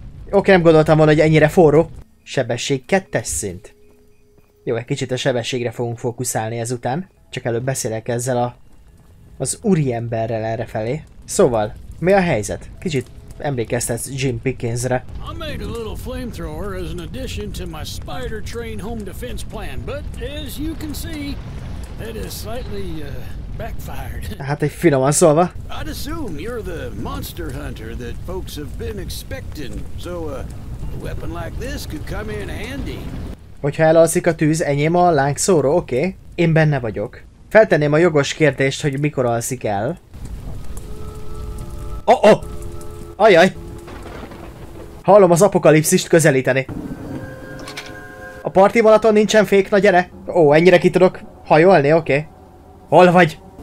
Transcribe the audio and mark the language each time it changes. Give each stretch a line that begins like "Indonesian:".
Hungarian: Oké, nem gondoltam volna, hogy ennyire forró. Sebesség 2-es szint. Jó, egy kicsit a sebességre fogunk fókuszálni ezután. Csak előbb beszélek ezzel az úriemberrel errefelé. Szóval... Mi a helyzet? Kicsit emlékeztet Jim Pickensre.
English: I made a little flamethrower as an addition to my spider train home defense plan, but as you can see, that is slightly backfired.
Hungarian: Hát egy finoman szólva.
English: I'd assume you're the monster hunter that folks have been expecting, so a weapon like this could come in handy.
Hungarian: Hogyha elalszik a tűz, enyém a lángszóró, oké? Okay. Én benne vagyok. Feltenném a jogos kérdést, hogy mikor alszik el. Oh-oh! Ajaj! Hallom az apokalipszist közelíteni. A parti vonaton nincsen fék, na gyere! Ó, ennyire ki tudok hajolni, oké? Okay. Hol vagy?